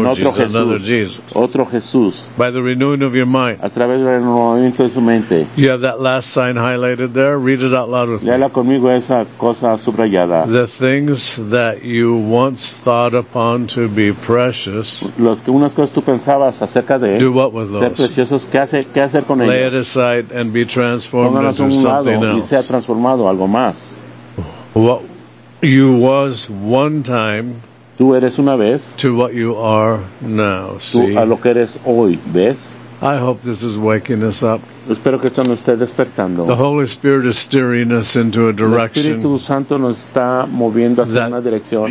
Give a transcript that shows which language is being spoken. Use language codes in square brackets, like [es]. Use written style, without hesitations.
[es] en otro [en] Jesus, [es] Jesús. [en] Another Jesus. [es] Otro Jesús. [en] By the renewing of your mind. [es] A través del renovamiento de su mente. [en] You have that last sign highlighted there. Read it out loud with me. [es] Léala conmigo esa cosa subrayada. [en] The things that you once thought upon to be precious. [es] Los que unas cosas tú pensabas acerca de [en] do what with those? [es] Ser preciosos. ¿Qué hacer con ellos? [en] Lay it aside and be transformed into something else. [es] Y sea transformado algo más. [en] What? You was one time [es] tú eres una vez [en] to what you are now, see? [es] Tú a lo que eres hoy, ¿ves? [en] I hope this is waking us up. [es] Espero que esto nos esté despertando. [en] The Holy Spirit is steering us into a direction. [es] El Espíritu Santo nos está moviendo hacia una dirección.